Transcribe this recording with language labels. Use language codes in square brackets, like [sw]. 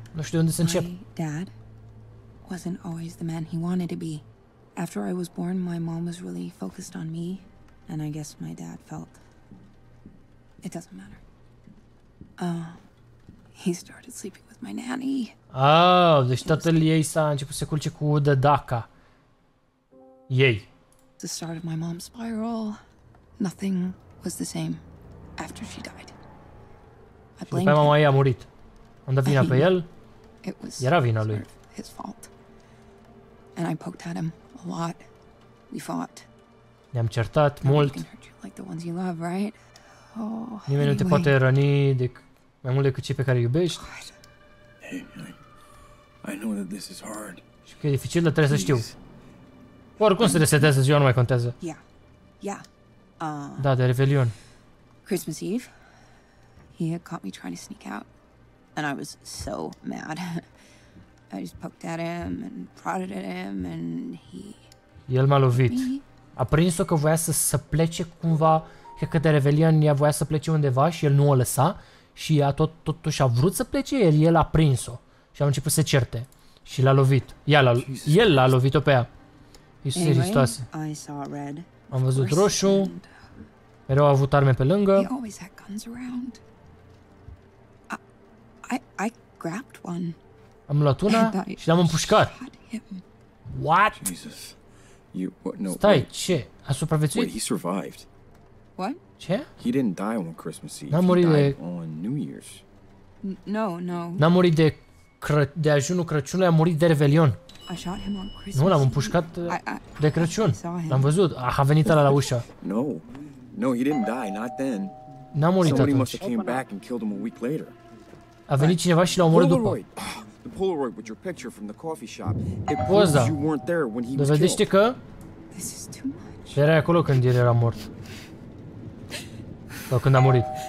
[ro] Nu știu unde să încep. [en] My dad wasn't always the man he wanted to be. After I was born, my mom was really focused on me, and I guess my dad felt it doesn't matter. He started sleeping with my nanny. [ro] Oh, deci tatăl ei s-a început să culce cu dădaca. Ei. [en] The start of my mom's spiral. Nothing was the same after she died. [ro] Și pe mama ei a murit. Am dat vina pe el. Era vina lui. [en] His fault. And I poked at him a lot. We fought. [ro] Ne-am certat mult. [en] Like the ones you love, right? [ro] Oh, nimeni nu te poate răni mai mult decât cei pe care îi iubești. [en] I know that this is hard. [ro] Și că e dificil, dar trebuie să știu. Oricum se resetează ziua, nu mai contează. [en] Yeah. Yeah. [ro] Da, de Revelion. [en] Christmas Eve. He had caught me trying to sneak out, and I was so mad. I just poked at him and prodded at him, and he. [ro] El m-a lovit. A prins-o că voia să plece cumva, cred că de Revelion ea voia să plece undeva și el nu o lăsa, și ea totuși a vrut să plece, iar el a prins-o și a început să se certe și l-a lovit. El l-a lovit-o pe ea. Iisuse Hristoase. [en] I saw red. [ro] Am văzut roșu. Mereu a avut arme pe lângă. [en] He always had guns around. I grabbed one. [ro] Am luat una și l-am împușcat. [en] What? Jesus. You what? No. [ro] Stai, ce? A supraviețuit? [en] Wait, he survived. What? [ro] Ce? [en] He didn't die on Christmas Eve. [ro] N-a murit de [en] New Year's. No. [ro] N-a murit de ajunul Crăciunului, a murit de Revelion. [en] I shot him on Christmas. [ro] Nu, l-am împușcat de Crăciun. L-am văzut. A venit ăla la ușă. [en] No, he didn't die, not then. [ro] N-a murit atunci. [en] Somebody must have came back and killed him a week later. [ro] A venit cineva și l-a omorât după. [en] The Polaroid with your picture from the coffee shop. It proves you weren't there when he was killed. [ro] Că? [en] This is too much. [ro] Erai acolo când el era mort. Sau când a murit.